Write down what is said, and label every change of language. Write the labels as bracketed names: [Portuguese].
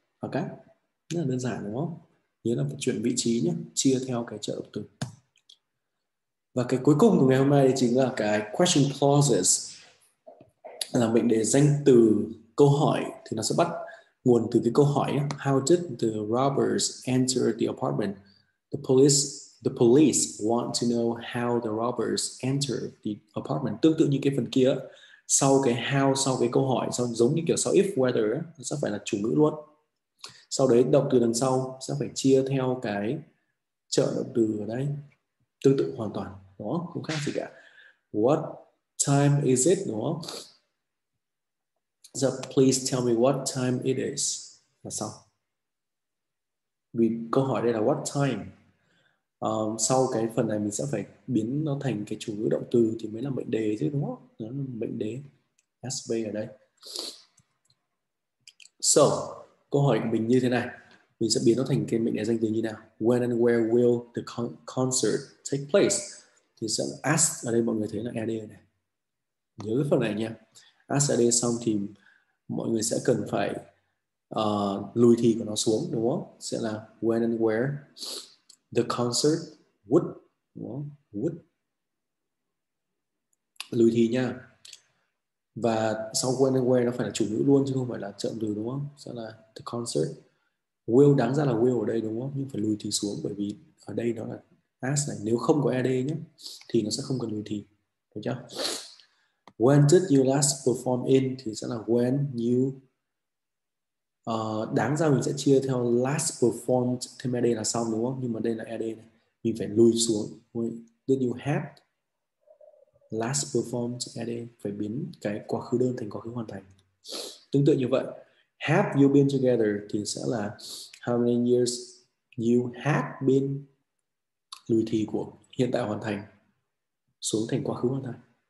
[Vietnamese] Ok, rất là đơn giản đúng không? Nhớ là phải chuyển vị trí nhé, chia theo cái trợ động từ. Và cái cuối cùng của ngày hôm nay chính là cái question clauses, là mệnh đề danh từ câu hỏi, thì nó sẽ bắt nguồn từ cái câu hỏi ấy. [English] How did the robbers enter the apartment? The police want to know how the robbers enter the apartment. [Vietnamese] Tương tự như cái phần kia, sau cái how, sau cái câu hỏi, sau giống như kiểu sau if whether nó sẽ phải là chủ ngữ luôn. Sau đấy động từ đằng sau sẽ phải chia theo cái trợ động từ ở đây. Tương tự hoàn toàn, đúng không? Không khác gì cả. [English] What time is it, [Vietnamese] đúng không? [English] So please tell me what time it is. [Vietnamese] Là xong. Vì câu hỏi đây là what time. Sau cái phần này mình sẽ phải biến nó thành cái chủ ngữ động từ thì mới là mệnh đề chứ, đúng không? Đó là mệnh đề SV ở đây. So câu hỏi của mình như thế này, mình sẽ biến nó thành cái mệnh đề danh từ như nào. [English] When and where will the concert take place? [Vietnamese] Thì sẽ là ask ở đây, mọi người thấy là ED này. Nhớ cái phần này nha. Ask ED xong thì mọi người sẽ cần phải lùi thì của nó xuống, đúng không? Sẽ là [English] when and where The concert would, would. [Vietnamese] Lùi thì nha. Và sau when and where nó phải là chủ ngữ luôn chứ không phải là trợ từ đúng không? Sẽ là [English] the concert will, [Vietnamese] đáng ra là will ở đây đúng không? Nhưng phải lùi thì xuống bởi vì ở đây nó là as này. Nếu không có ed nhé thì nó sẽ không cần lùi thì. Được chưa? [English] When did you last perform in [Vietnamese] thì sẽ là [English] when you. [Vietnamese] Đáng ra mình sẽ chia theo last performed, thêm ed là xong đúng không? Nhưng mà đây là ed này, mình phải lùi xuống. [English] When did you have last performed [Vietnamese] ed, phải biến cái quá khứ đơn thành quá khứ hoàn thành. Tương tự như vậy, [English] have you been together [Vietnamese] thì sẽ là [English] how many years you have been, [Vietnamese] lùi thì của hiện tại hoàn thành xuống thành quá khứ hoàn thành.